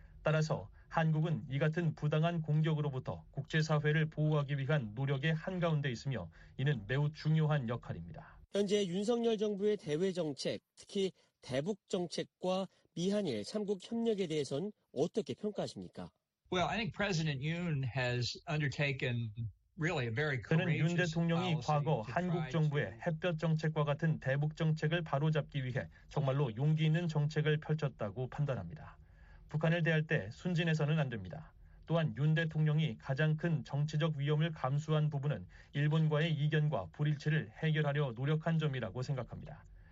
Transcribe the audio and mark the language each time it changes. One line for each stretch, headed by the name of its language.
Korean: 따라서 한국은 이 같은 부당한 공격으로부터 국제사회를 보호하기 위한 노력의 한가운데 있으며 이는 매우 중요한 역할입니다. 현재 윤석열 정부의 대외정책, 특히 대북정책과 미한일 3국 협력에 대해선 어떻게 평가하십니까?
English: Well, I think President Yoon has undertaken really a very courageous.
Korean: 그는 윤 대통령이 과거 한국 정부의 햇볕 정책과 같은 대북 정책을 바로잡기 위해 정말로 용기 있는 정책을 펼쳤다고 판단합니다. 북한을 대할 때 순진해서는 안 됩니다. 또한 윤 대통령이 가장 큰 정치적 위험을 감수한 부분은 일본과의 이견과 불일치를 해결하려 노력한 점이라고 생각합니다.